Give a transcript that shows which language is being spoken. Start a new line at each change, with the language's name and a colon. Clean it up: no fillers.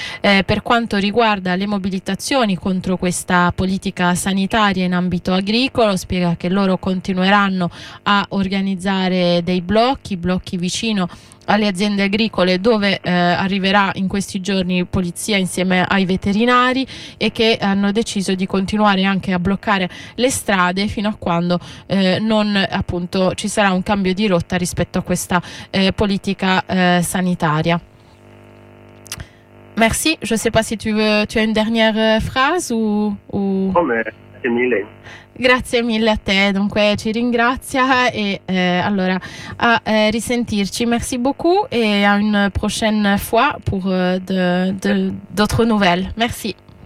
Italian: Per quanto riguarda le mobilitazioni contro questa politica sanitaria in ambito agricolo, spiega che loro continueranno a organizzare dei blocchi vicino alle aziende agricole dove arriverà in questi giorni polizia insieme ai veterinari e che hanno deciso di continuare anche a bloccare le strade fino a quando non appunto ci sarà un cambio di rotta rispetto a questa politica sanitaria.
French: Merci, je sais pas si tu veux, tu as une dernière phrase ou...
Italian: Oh, grazie mille. Grazie mille a te, dunque ci ringrazia e allora a risentirci.
French: Merci beaucoup et à une prochaine fois pour d'autres nouvelles. Merci.